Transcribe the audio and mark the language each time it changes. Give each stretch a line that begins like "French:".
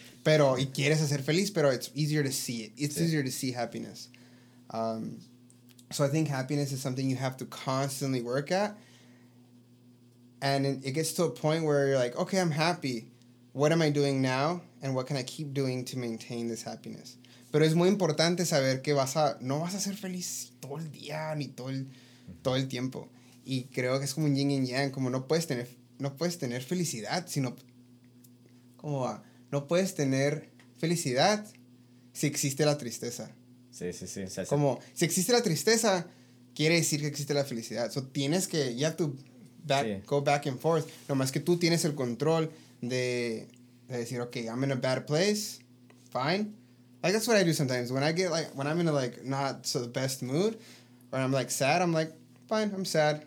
Spanish: pero, y quieres hacer feliz, pero
English: it's easier to see it. It's easier to see happiness. So I think happiness is something you have to constantly work at. And it gets to a point where you're like, okay, I'm happy. What am I doing now? And what can I keep doing to maintain this happiness?
Spanish: Pero es muy importante saber que no vas a ser feliz todo el día ni todo el tiempo. Y creo que es como un yin y yang. Como no puedes tener felicidad, sino... ¿Cómo va? No puedes tener felicidad si existe la tristeza. Sí. O sea, como, si existe la tristeza, quiere decir que existe la felicidad.
English: So, tienes que, you have to back, go back and forth.
Spanish: Nomás que tú tienes el control de decir,
English: okay, I'm in a bad place, fine. Like, that's what I do sometimes. When I get, like, when I'm in a, like, not so the best mood, or I'm, like, sad, I'm like, fine, I'm sad.